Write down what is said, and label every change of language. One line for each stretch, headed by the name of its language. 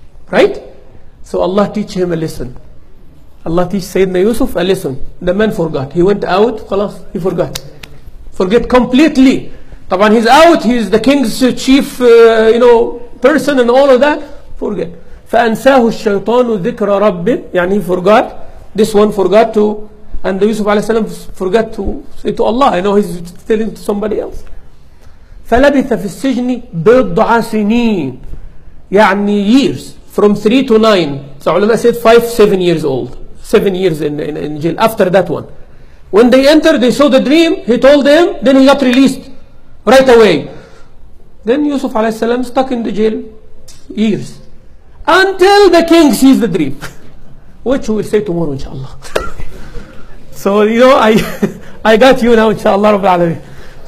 English: Right? So Allah teach him a lesson. Allah teach Sayyidina Yusuf a lesson. The man forgot. He went out, خلاص, he forgot. Forget completely. طبعاً, he's out, he's the king's chief person and all of that. Forget.
Arabic: فأنساه الشيطان ذكر ربه, يعني
English: he forgot. This one forgot to, and Yusuf alayhi salam forgot to say to Allah, I know he's telling to somebody else.
Arabic: فلبث في السجن بضع سنين, يعني
English: years, from 3 to 9. So علماء said 5, 7 years old, 7 years in jail after that one. When they entered, they saw the dream, he told them, then he got released right away. Then Yusuf alayhi salam stuck in the jail years until the king sees the dream. Which we will say tomorrow, inshallah. So, I got you now, inshallah, Rabbil Alameen.